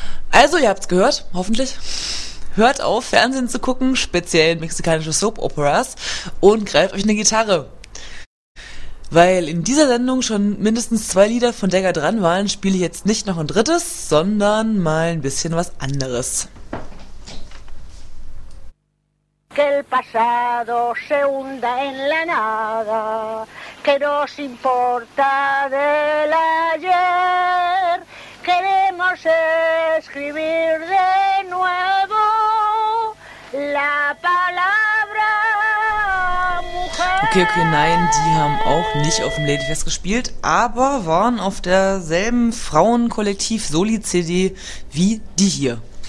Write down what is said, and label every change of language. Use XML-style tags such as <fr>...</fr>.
<de>Also, ihr habt's gehört, hoffentlich. Hört auf, Fernsehen zu gucken, speziell mexikanische Soap-Operas, und greift euch eine Gitarre. Weil in dieser Sendung schon mindestens zwei Lieder von Dagger dran waren, spiele ich jetzt nicht noch ein drittes, sondern mal ein bisschen was anderes.</de> <es>Que el pasado se hunda en la nada, que nos importa del ayer. Queremos escribir de nuevo la palabra mujer.</es> <de>Okay, nein, die haben auch nicht auf dem Ladyfest gespielt, aber waren auf derselben Frauenkollektiv-Soli-CD wie die hier.</de>